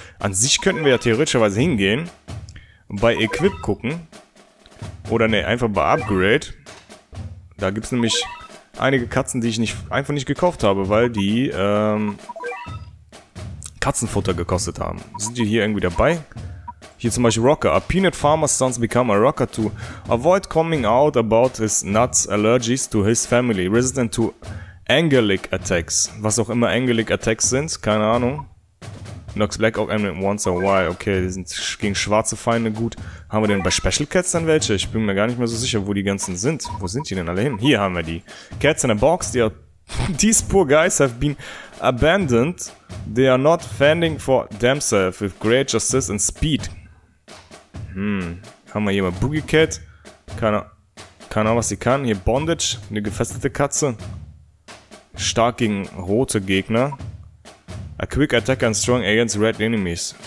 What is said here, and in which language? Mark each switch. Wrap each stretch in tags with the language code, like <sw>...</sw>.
<de>An sich könnten wir ja theoretischerweise hingehen. Bei Equip gucken. Oder ne, einfach bei Upgrade. Da gibt es nämlich einige Katzen, die ich einfach nicht gekauft habe, weil die Katzenfutter gekostet haben. Sind die hier irgendwie dabei? Hier zum Beispiel Rocker.</de> <en>A peanut farmer's sons become a rocker to avoid coming out about his nuts allergies to his family. Resistant to angelic attacks.</en> <de>Was auch immer angelic attacks sind, keine Ahnung.</de> <en>Nox Black Oak Emblem once a while.</en> <de>Okay, die sind gegen schwarze Feinde gut. Haben wir denn bei Special Cats dann welche? Ich bin mir gar nicht mehr so sicher, wo die ganzen sind. Wo sind die denn alle hin? Hier haben wir die. Cats in a box.</de> <en>These poor guys have been abandoned. They are not fending for themselves with great justice and speed.</en> <de>Haben wir hier mal Boogie Cat. Keine Ahnung, was sie kann. Hier Bondage. Eine gefesselte Katze. Stark gegen rote Gegner.</de> <en>A quick attack and strong against red enemies.</en>